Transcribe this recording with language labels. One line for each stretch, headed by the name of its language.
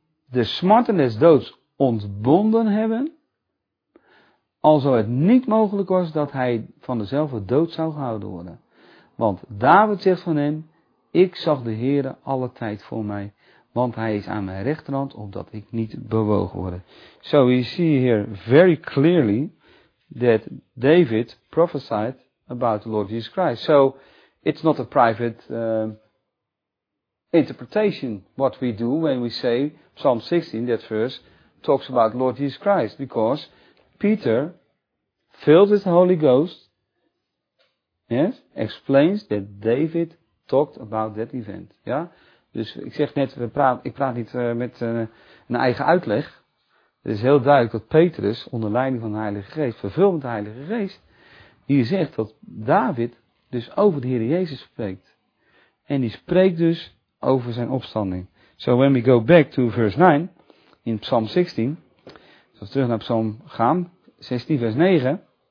Dutch: De smarten des doods ontbonden hebben, alzo het niet mogelijk was dat hij van dezelfde dood zou gehouden worden. Want David zegt van hem, ik zag de Heere alle tijd voor mij, want hij is aan mijn rechterhand, opdat ik niet bewogen worden.
English: So we see here very clearly that David prophesied about the Lord Jesus Christ. So it's not a private interpretation what we do when we say Psalm 16, that verse, talks about Lord Jesus Christ, because Peter, filled with the Holy Ghost, yes, explains that David talked about that event.
Dutch: Ja? Dus ik zeg net, ik praat niet met een eigen uitleg. Het is heel duidelijk dat Petrus, onder leiding van de Heilige Geest, vervuld met de Heilige Geest, hier zegt dat David dus over de Heer Jezus spreekt. En die spreekt dus over zijn opstanding.
English: So when we go back to verse 9, in Psalm 16,
Dutch: als we terug naar Psalm gaan, 16 vers 9.